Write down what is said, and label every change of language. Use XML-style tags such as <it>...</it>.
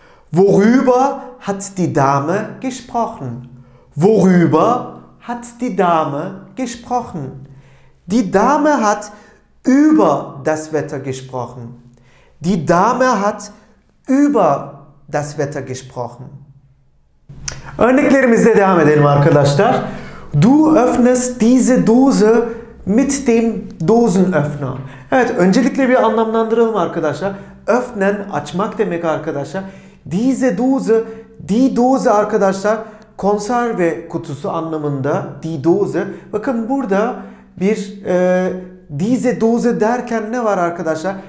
<de>Worüber hat die Dame gesprochen? Worüber hat die Dame gesprochen? Die Dame hat über das Wetter gesprochen. Die Dame hat über das Wetter gesprochen.</de> <tr>Örneklerimizle devam edelim arkadaşlar.</tr> <de>Du öffnest diese Dose mit dem Dosenöffner.</de> <tr>Evet, öncelikle bir anlamlandıralım arkadaşlar. Öffnen, açmak demek arkadaşlar. Diese Dose, die Dose arkadaşlar, konserve kutusu anlamında, die Dose. Bakın burada bir diese Dose derken ne var arkadaşlar?</tr>